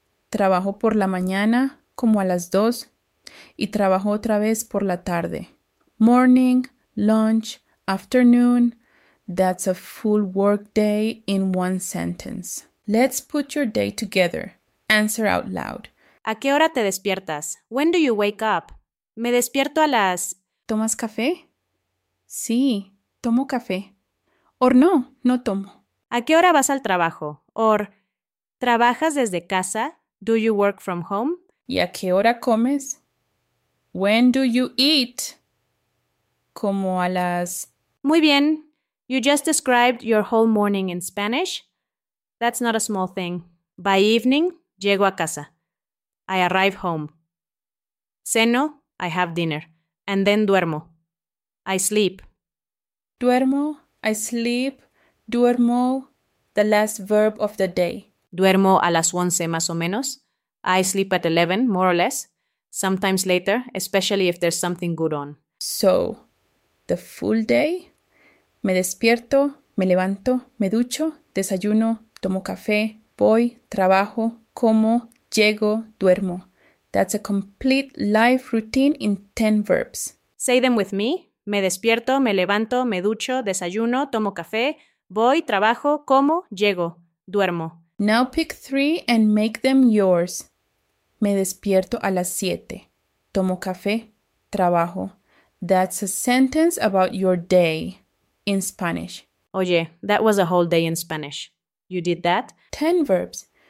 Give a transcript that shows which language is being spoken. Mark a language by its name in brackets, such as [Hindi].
[Spanish] Trabajo por la mañana, como a las 2. Y trabajo otra vez por la tarde. [English] Morning, lunch, afternoon. That's a full work day in one sentence. Let's put your day together. Answer out loud. [Spanish] ¿A qué hora te despiertas? [English] When do you wake up? [Spanish] Me despierto a las... ¿Tomas café? Sí, tomo café. Or no, no tomo. ¿A qué hora vas al trabajo? Or, ¿trabajas desde casa? [English] Do you work from home? [Spanish] ¿Y a qué hora comes? [English] When do you eat? [Spanish] Como a las... Muy bien. [English] You just described your whole morning in Spanish. That's not a small thing. By evening, [Spanish] llego a casa. [English] I arrive home. Ceno, I have dinner. And then duermo. I sleep. Duermo, I sleep, duermo, the last verb of the day. [Spanish] Duermo a las 11 más o menos. [English] I sleep at 11, more or less. Sometimes later, especially if there's something good on. So, the full day? [Spanish] Me despierto, me levanto, me ducho, desayuno, tomo café, voy, trabajo, como, llego, duermo. [English] That's a complete life routine in 10 verbs. Say them with me. [Spanish] Me despierto, me levanto, me ducho, desayuno, tomo café, voy, trabajo, como, llego, duermo. [English] Now pick 3 and make them yours. [Spanish] Me despierto a las 7. Tomo café, trabajo. [English] That's a sentence about your day in Spanish. Oye, that was a whole day in Spanish. You did that? 10 verbs.